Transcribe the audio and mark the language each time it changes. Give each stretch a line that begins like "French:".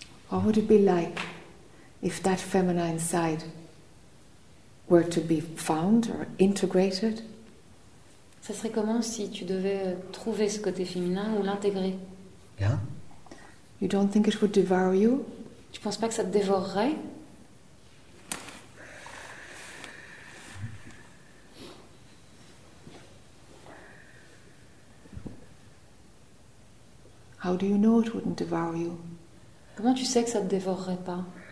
English: What would it be like if that feminine side were to be found or integrated?
French: Ça serait comment si tu devais trouver ce côté féminin ou l'intégrer?
English: Yeah. You don't think it would devour you?
French: Tu penses pas que ça te dévorerait?
English: How do you know it wouldn't devour you?
French: Comment tu sais que ça te dévorerait pas?